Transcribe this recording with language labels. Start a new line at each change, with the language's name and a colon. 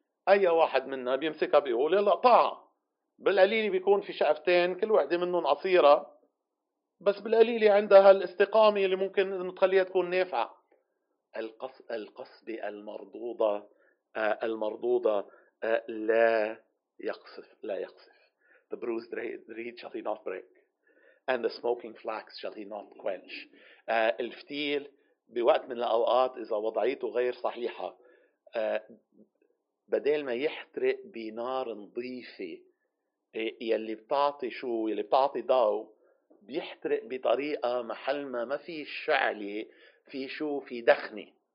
Arabic: اي واحد منا بيمسكها بيقول يلا اقطعها، بالقليل بيكون في شقفتين كل واحدة منهم قصيرة، بس بالقليل عندها الاستقامة اللي ممكن تخليها تكون نافعة. القصبة المرضوضة، المرضوضة لا يقصف، لا يقصف.
English: The bruised reed shall he not break and the smoking flax shall he not quench.
Arabic: الفتيل بوقت من الأوقات إذا وضعيته غير صحيحة، بدل ما يحترق بنار نظيفة يلي بتعطي شو، يلي بتعطي ضوء، بيحترق بطريقة محل ما ما في شعلة، في شو، في دخنة،